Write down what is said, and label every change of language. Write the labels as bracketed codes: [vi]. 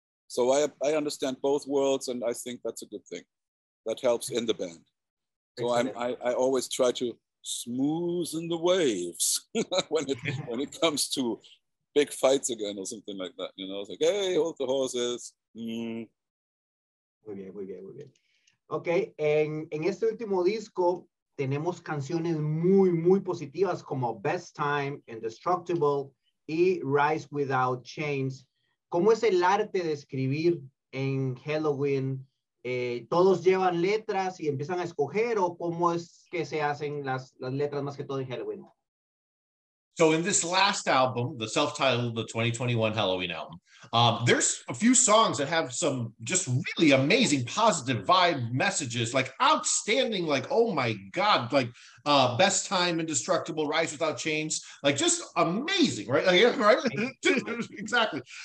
[en] So I understand both worlds, and I think that's a good thing. That helps in the band. So I always try to smoothen the waves when it comes to big fights again or something like that. You know, it's like, hey, hold the horses. [es] Muy bien, muy bien, muy bien. Ok, en este último disco tenemos canciones muy, muy positivas como Best Time, Indestructible y Rise Without Chains. ¿Cómo es el arte de escribir en Helloween? ¿Todos llevan letras y empiezan a escoger o cómo es que se hacen las letras más que todo en Helloween? [en] So in this last album, the self-titled, the 2021 Helloween album, there's a few songs that have some just really amazing positive vibe messages, like outstanding, like, oh my God, like Best Time, Indestructible, Rise Without Chains, like just amazing, right? Right? Exactly.